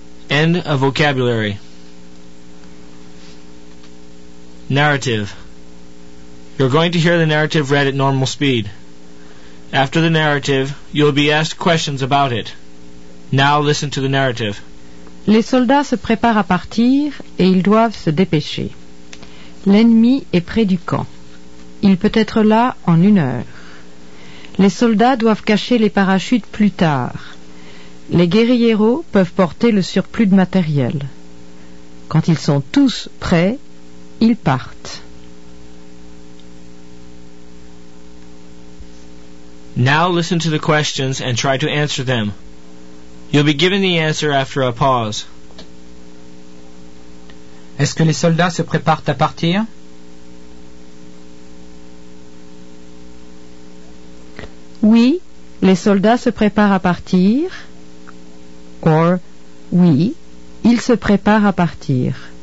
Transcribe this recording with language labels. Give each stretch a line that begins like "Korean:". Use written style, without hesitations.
English: End of vocabulary. Narrative. You're going to hear the narrative read at normal speed. After the narrative, you'll be asked questions about it. Now listen to the narrative.
French: Les soldats se préparent à partir et ils doivent se dépêcher. L'ennemi est près du camp. Il peut être là en une heure. Les soldats doivent cacher les parachutes plus tard. Les guérilleros peuvent porter le surplus de matériel. Quand ils sont tous prêts, ils partent.
English: Now listen to the questions and try to answer them. You'll be given the answer after a pause.
French: Est-ce que les soldats se préparent à partir? Oui, les soldats se préparent à partir. Or, oui, ils se préparent à partir.